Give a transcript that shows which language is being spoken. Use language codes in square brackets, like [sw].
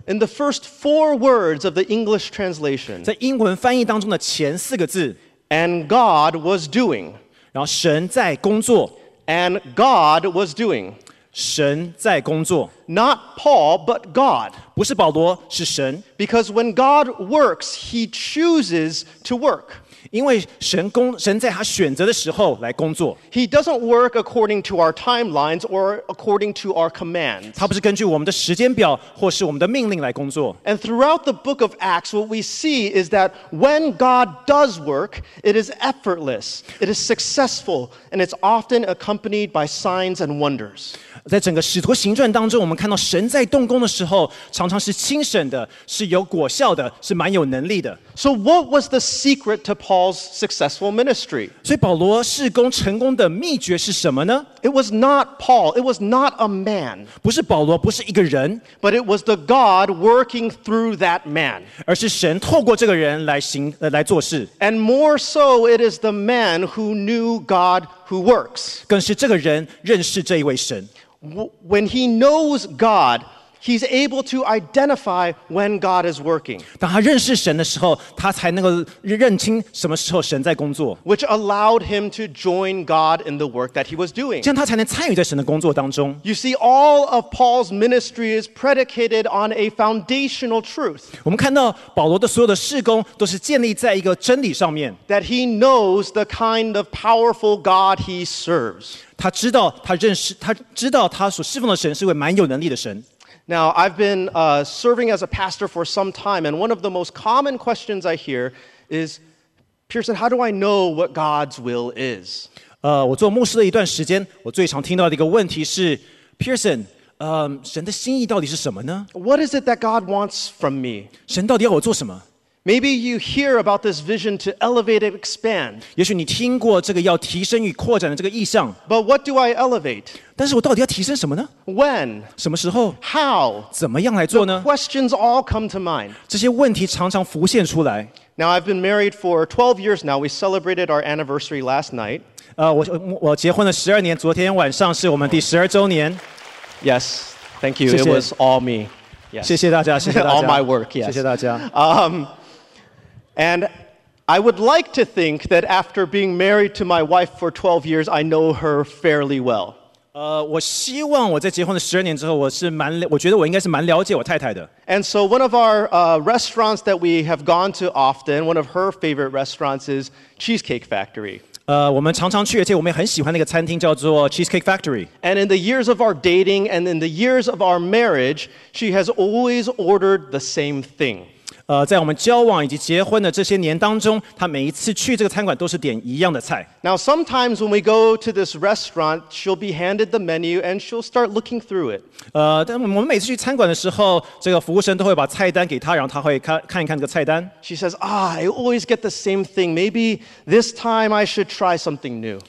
[en] In the first four words of the English translation, [zh] 在英文翻译当中的前四个字 [en] and God was doing. [zh] 然后神在工作 [en] and God was doing. [zh] 神在工作 [en] Not Paul, but God. [zh] 不是保罗，是神。 [en] Because when God works, he chooses to work. [zh] 因为神在他选择的时候来工作。 [en] He doesn't work according to our timelines or according to our commands. [zh] 他不是根据我们的时间表或是我们的命令来工作。 [en] And throughout the book of Acts, what we see is that when God does work, it is effortless, it is successful, and it's often accompanied by signs and wonders. [zh] 在整个使徒行传当中，我们看到神在动工的时候，常常是亲神的，是有果效的，是蛮有能力的。 [en] So what was the secret to Paul's successful ministry? [zh] 所以保罗事工成功的秘诀是什么呢？ [en] It was not Paul. It was not a man. [zh] 不是保罗，不是一个人。 [en] But it was the God working through that man. [zh] 而是神透过这个人来做事。 [en] And more so, it is the man who knew God who works. [zh] 更是这个人认识这一位神。 [en] When he knows God, he's able to identify when God is working. [zh] 当他认识神的时候，他才能够认清什么时候神在工作。 [en] Which allowed him to join God in the work that he was doing. [zh] 这样他才能参与在神的工作当中。 [en] You see, all of Paul's ministry is predicated on a foundational truth. [zh] 我们看到保罗的所有的事工都是建立在一个真理上面。 [en] That he knows the kind of powerful God he serves. [zh] 他知道他所侍奉的神是一位蛮有能力的神。 [en] Now, I've been serving as a pastor for some time, and one of the most common questions I hear is, Pearson, how do I know what God's will is? [zh] 我做牧师的一段时间，我最常听到的一个问题是 ，Pearson， 神的心意到底是什么呢 [en] ？What is it that God wants from me? [zh] 神到底要我做什么？ [en] Maybe you hear about this vision to elevate and expand. [zh] 也许你听过这个要提升与扩展的这个意向。 [en] But what do I elevate? [zh] 但是我到底要提升什么呢 [en] ？When? [zh] 什么时候 [en] ？How? [zh] 怎么样来做呢 [en] ？The questions all come to mind. [zh] 这些问题常常浮现出来。 [en] Now I've been married for 12 years now. We celebrated our anniversary last night. [zh] 我结婚了十二年，昨天晚上是我们第十二周年。 [en] Yes, thank you. [zh] 谢谢 [en] It was all me. Yes. [zh] 谢谢大家。 [en] All my work. Yes. [zh] 谢谢大家。 [en] And I would like to think that after being married to my wife for 12 years, I know her fairly well. [zh] 我希望我在结婚的十二年之后，我觉得我应该是蛮了解我太太的。 [en] And so one of our restaurants that we have gone to often, one of her favorite restaurants is Cheesecake Factory. [zh] 我们常常去，而且我们也很喜欢那个餐厅叫做 Cheesecake Factory. [en] And in the years of our dating and in the years of our marriage, she has always ordered the same thing. [zh] 在我们交往以及结婚的这些年当中，他每一次去这个餐馆都是点一样的菜。 [en] Now sometimes when we go to this restaurant, she'll be handed the menu and she'll start looking through it. [zh] 但我们每次去餐馆的时候，这个服务生都会把菜单给她，然后她会看一看这个菜单。 [en] She says, "Ah, I always get the same thing. Maybe this time I should try something new."